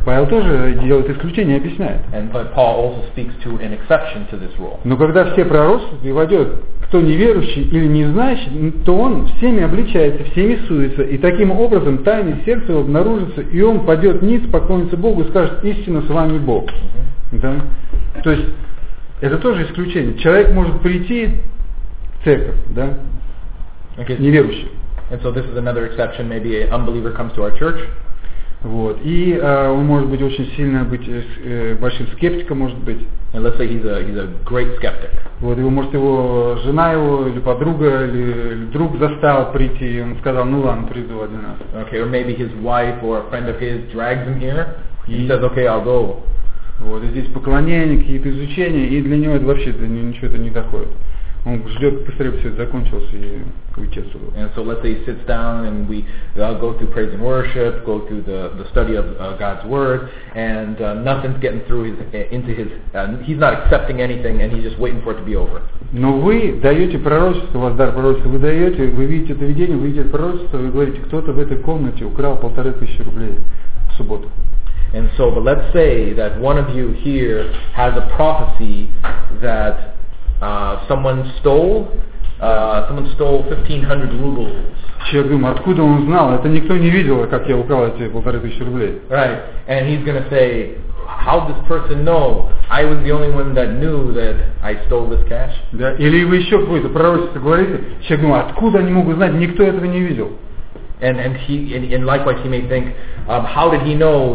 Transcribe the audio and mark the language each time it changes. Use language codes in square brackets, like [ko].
[ru] Павел тоже делает исключение, объясняет. [en] And but Paul also speaks to an exception to this rule. [ru] Но когда все пророчества войдет, кто неверующий или не знающий, то он всеми обличается, всеми суется, и таким образом тайны сердца его обнаружится, и он падет ниц, поклонится Богу и скажет: истинно с вами Бог. Mm-hmm. Да? То есть это тоже исключение. Человек может прийти в церковь, да? [en] Okay. [ru] Неверующий. [en] And so this is another exception. Maybe an unbeliever comes to our church. [ru] Вот. И он может быть очень сильно быть большим скептиком, может быть. [en] And let's say he's a great skeptic. [ru] Вот, его, может, его жена его, или подруга, или друг заставил прийти, и он сказал, ну ладно, приду один раз. [en] Okay, or maybe his wife or a friend of his drags him here. He says, okay, I'll go. [ru] Вот, и здесь поклонение, какие-то изучения, и для него это вообще ничего это не доходит. Он ждет, быстрее все это закончилось, и уйти отсюда. [en] And so let's say he sits down, and we go through praise and worship, go through the study of God's Word, and nothing's getting through he's not accepting anything, and he's just waiting for it to be over. [ru] Но вы даете пророчество, у вас дар пророчества, вы даете, вы видите это видение, вы видите это пророчество, вы говорите, кто-то в этой комнате украл 1500 рублей в субботу. [en] And so, but let's say that one of you here has a prophecy that someone stole 1500 rubles. [ru] Человек думает, откуда он знал? Это никто не видел, как я украл эти 1500 рублей. [en] Right, and he's gonna say, how this person know? I was the only one that knew that I stole this cash. [ru] Да, или вы еще какое-то пророчество говорите? Человек думает, откуда они могут знать? Никто этого не видел. [en] And likewise, he may think, how did he know?